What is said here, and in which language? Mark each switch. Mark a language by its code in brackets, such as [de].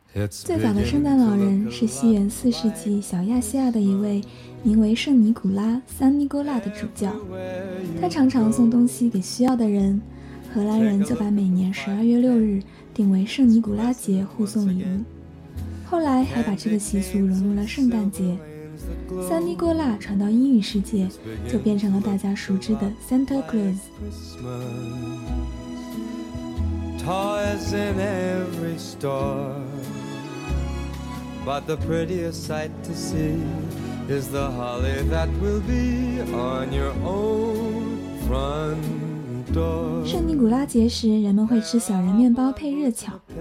[zh] 最早的圣诞老人是西元四世纪小亚细亚的一位名为圣尼古拉·桑尼古拉的主教，他常常送东西给需要的人，荷兰人就把每年12月6日定为圣尼古拉节互送礼物，后来还把这个习俗融入了圣诞节。桑尼古拉传到英语世界，就变成了大家熟知的 Santa Claus。 [en] Toys in every store. But the prettiest sight to see is the holly that will be on your own front door. [zh] 圣尼古拉节时，人们会吃小人面包配热巧。